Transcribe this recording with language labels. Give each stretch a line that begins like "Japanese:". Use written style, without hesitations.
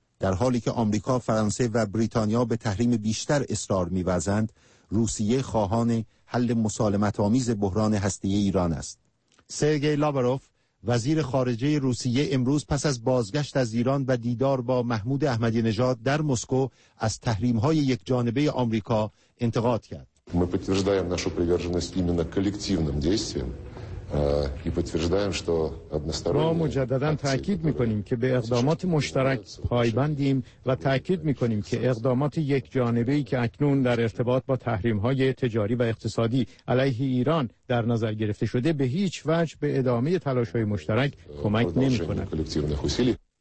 Persian: در حالی که آمریکا، فرانسه و بریتانیا به تحریم بیشتر اصرار می ورزند، روسیه خواهان حل مسالمت‌آمیز بحران هسته‌ای ایران است. سرگئی لاوروف، وزیر خارجه روسیه، امروز پس از بازگشت از ایران و دیدار با محمود احمدی نژاد در مسکو، از تحریم‌های یک جانبه آمریکا انتقاد کرد.
Russian: Мы подтверждаем нашу приверженность именно коллективным действиям и подтверждаем, что односторонние.
Persian: Мы مجدداً تأكيد می‌کنیم که به اقدامات مشترک پایبندیم و تأکید می‌کنیم که اقدامات یک‌جانبه‌ای که اکنون در ارتباط با تحریم‌های تجاری و اقتصادی علیه ایران در نظر گرفته شده به هیچ وجه به ادامه تلاش‌های مشترک کمک نمی‌کند.